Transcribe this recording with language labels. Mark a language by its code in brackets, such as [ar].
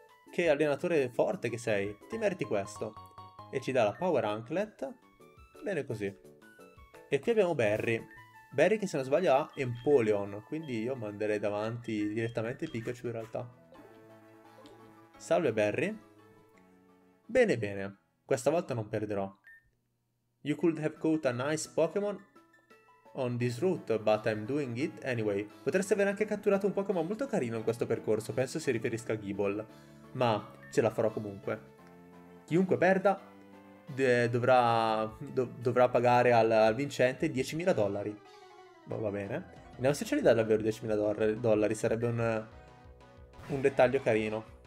[it] Che allenatore forte che sei, ti meriti questo. E ci dà la Power Anklet. Bene così. E qui abbiamo Barry. Barry che se non sbaglio ha Empoleon, quindi io manderei davanti direttamente Pikachu in realtà. Salve Barry. Bene bene, questa volta non perderò. [en] You could have caught a nice Pokémon on this route, but I'm doing it anyway. [it] Potresti aver anche catturato un Pokémon molto carino in questo percorso, penso si riferisca a Gible. Ma ce la farò comunque. Chiunque perda dovrà pagare al vincente $10,000. Va bene. Vediamo se ce li dà davvero $10,000. Sarebbe un dettaglio carino.